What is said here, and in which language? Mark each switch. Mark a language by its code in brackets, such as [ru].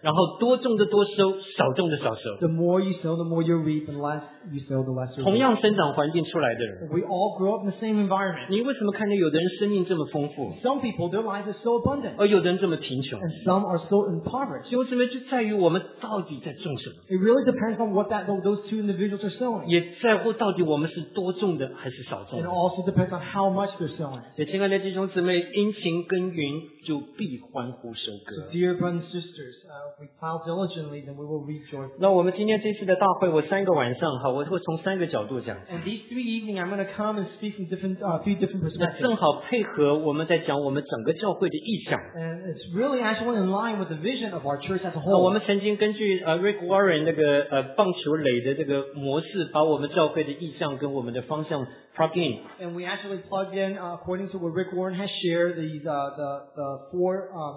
[zh] 然后多种的多收，少种的少收。 [en] The more you sow, the more you reap, and less you sow, the less you reap. [zh] 同样生长环境出来的人。 [en] We all grow up in the same environment. [zh] 你为什么看见有的人生命这么丰富？ [en] Some people, their lives are so abundant. [zh] 而有的人这么贫穷。 [en] And some are so impoverished. [zh] 就是因为就在于我们到底在种什么。 [en] It really depends on what that those two individuals are sowing. [zh] 也在乎到底我们是多种的还是少种。 [en] It also depends on how much they're sowing. [zh] 也亲爱的弟兄姊妹，殷勤耕耘就必欢呼收割。 [en] Dear brothers and sisters, we plow diligently, then we will reap joyfully. [zh] 那我们今天这次的大会，我三个晚上哈，我会从三个角度讲。 [en] And these three evenings, I'm going to come and speak from different, three different perspectives. [zh] 那正好配合我们在讲我们整个教会的意向。 [en] And it's really actually in line with the vision of our church as a whole. [zh] 那我们曾经根据Rick Warren 那个棒球垒的这个模式，把我们教会的意向跟我们的方向。 [en] And we actually plugged in, according to what Rick Warren has shared, the four,